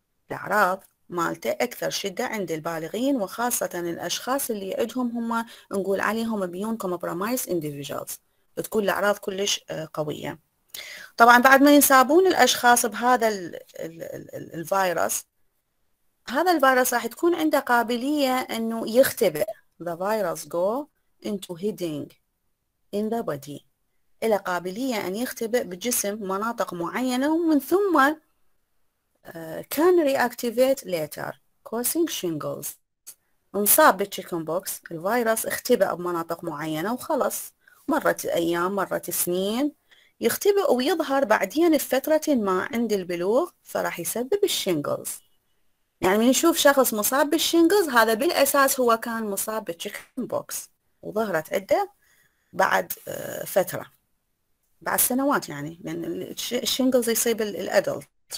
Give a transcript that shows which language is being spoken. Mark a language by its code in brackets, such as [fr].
[ar] الاعراض مالته اكثر شده عند البالغين، وخاصه الاشخاص اللي عندهم هم نقول عليهم بيون كومبرومايز انديفيدجوالز، تكون الاعراض كلش قويه. طبعا بعد ما ينصابون الاشخاص بهذا الفيروس، هذا الفيروس راح تكون عنده قابليه انه يختبئ. [en] The virus go into hiding in the body، [ar] إلى قابلية أن يختبئ بجسم مناطق معينة، ومن ثم [en] can reactivate later causing shingles. [ar] انصاب بالتشيكن بوكس، الفيروس اختبأ بمناطق معينة وخلص، مرت أيام مرت سنين، يختبئ ويظهر بعدين في فترة ما عند البلوغ، فراح يسبب الشينجلز. يعني من نشوف شخص مصاب بالشينجلز، هذا بالأساس هو كان مصاب بالتشيكن بوكس وظهرت عدة بعد فترة، بعد سنوات يعني، لأن الشينجلز يصيب الأدلت.